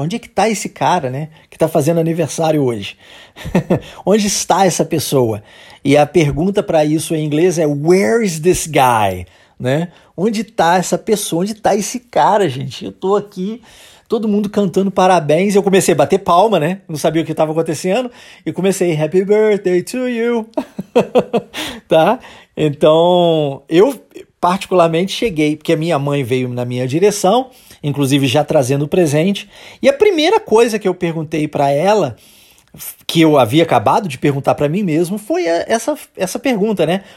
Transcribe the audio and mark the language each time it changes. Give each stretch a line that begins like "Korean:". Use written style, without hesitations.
Portuguese: Onde é que tá esse cara, né? Que tá fazendo aniversário hoje? Onde está essa pessoa? E a pergunta para isso em inglês é:
English: Where is this guy?
Portuguese: né? Onde está essa pessoa? Onde está esse cara, gente? Eu estou aqui, todo mundo cantando parabéns. Eu comecei a bater palma, né? Não sabia o que estava acontecendo. E comecei,
English: happy birthday to you.
Portuguese: Tá? Então, eu particularmente cheguei, porque a minha mãe veio na minha direção, inclusive já trazendo o presente. E a primeira coisa que eu perguntei para ela, que eu havia acabado de perguntar para mim mesmo, foi essa pergunta, né?